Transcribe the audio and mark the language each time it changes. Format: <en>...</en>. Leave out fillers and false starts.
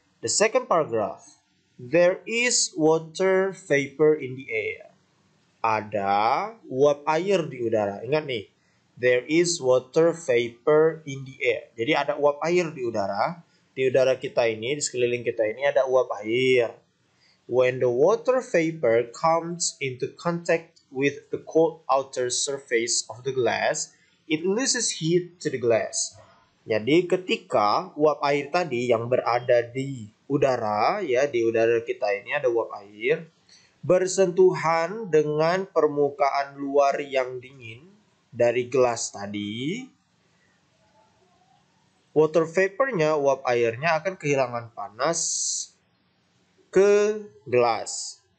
<en>The second paragraph. There is water vapor in the air.</en> <id>Ada uap air di udara. Ingat nih.</id> <en>There is water vapor in the air.</en> <id>Jadi ada uap air di udara. Di udara kita ini, di sekeliling kita ini ada uap air.</id> <en>When the water vapor comes into contact with the cold outer surface of the glass, it loses heat to the glass.</en> <id>Jadi ketika uap air tadi yang berada di udara, ya di udara kita ini ada uap air, bersentuhan dengan permukaan luar yang dingin, dari gelas tadi, water vapornya, uap airnya akan kehilangan panas ke gelas.</id>